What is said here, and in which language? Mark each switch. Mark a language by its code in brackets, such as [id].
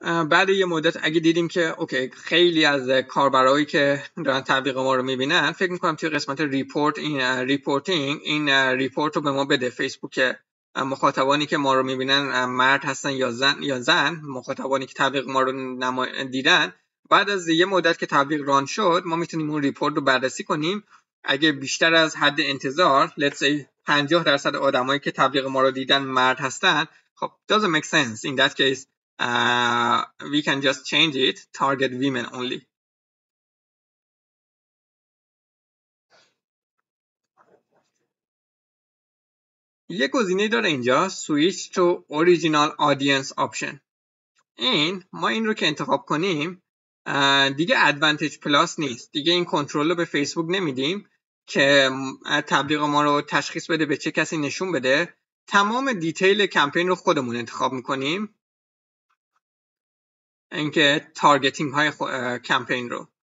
[fa] بعد یه مدت اگه دیدیم که اوکی، خیلی از کاربرایی که دارن تبلیغ ما رو میبینن، فکر میکنم توی قسمت ریپورت این ریپورتینگ این ریپورت رو به ما بده فیسبوک، مخاطبانی که ما رو میبینن مرد هستن یا زن، یا زن مخاطبانی که تبلیغ ما رو دیدن. بعد از یه مدت که تبلیغ ران شد، ما میتونیم اون ریپورت رو بررسی کنیم. اگه بیشتر از حد انتظار، [en] let's say 50% [fa] آدمایی که تبلیغ ما رو دیدن مرد هستن، خب [en] doesn't make sense. In that case we can just change it, target women only. [fa] یه گزینه داره اینجا، switch to original audience option. این ما این رو که انتخاب کنیم دیگه ادوانتج پلاس نیست، دیگه این کنترل رو به فیسبوک نمیدیم که تبلیغ ما رو تشخیص بده به چه کسی نشون بده. تمام دیتیل کمپین رو خودمون انتخاب میکنیم، اینکه تارگتینگ های کمپین رو.